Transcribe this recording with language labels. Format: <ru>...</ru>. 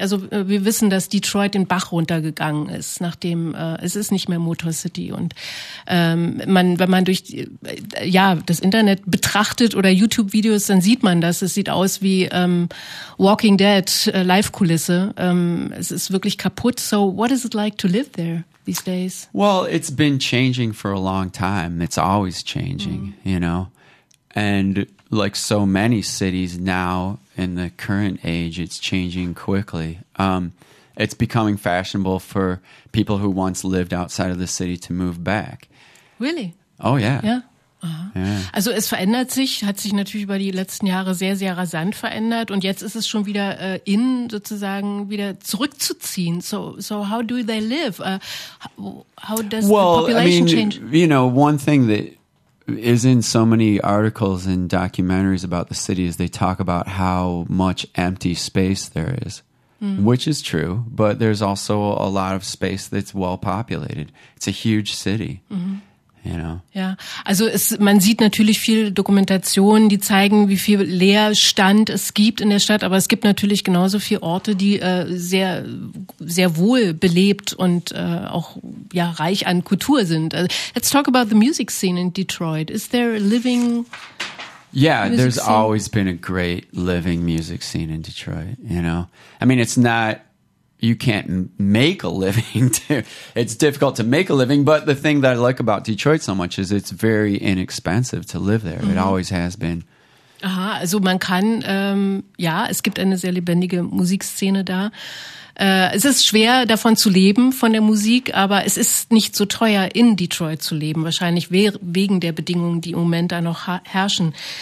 <de>Also wir wissen, dass Detroit den Bach runtergegangen ist, nachdem es ist nicht mehr Motor City. Und wenn man das Internet betrachtet oder YouTube-Videos, dann sieht man das. Es sieht aus wie Walking Dead, Live-Kulisse. Es ist wirklich kaputt.</de> <en>So what is it like to live there these days? Well, it's been changing for a long time. It's always changing, you know. And like so many cities now in the current age, it's changing quickly. It's becoming fashionable for people who once lived outside of the city to move back. Really? Oh, yeah. Yeah. Aha.</en> <de>Also es verändert sich, hat sich natürlich über die letzten Jahre sehr, sehr rasant verändert, und jetzt ist es schon wieder in, sozusagen wieder zurückzuziehen.</de> <en>So how do they live? How does the population change? You know, one thing that is in so many articles and documentaries about the city is they talk about how much empty space there is, which is true, but there's also a lot of space that's well populated. It's a huge city. Mm-hmm. You know.</en> <de>Ja, also man sieht natürlich viel Dokumentationen, die zeigen, wie viel Leerstand es gibt in der Stadt, aber es gibt natürlich genauso viele Orte, die sehr, sehr wohl belebt und auch ja reich an Kultur sind.</de> <en>Let's talk about the music scene in Detroit. Is there a living There's always been a great living music scene in Detroit, you know. I mean, it's not... You can't make a living. It's difficult to make a living. But the thing that I like about Detroit so much is it's very inexpensive to live there. Mm-hmm. It always has been.</en> <de>Aha, also man kann, es gibt eine sehr lebendige Musikszene da. Es ist schwer, davon zu leben, von der Musik, aber es ist nicht so teuer, in Detroit zu leben, wahrscheinlich wegen der Bedingungen, die im Moment da noch herrschen.</de>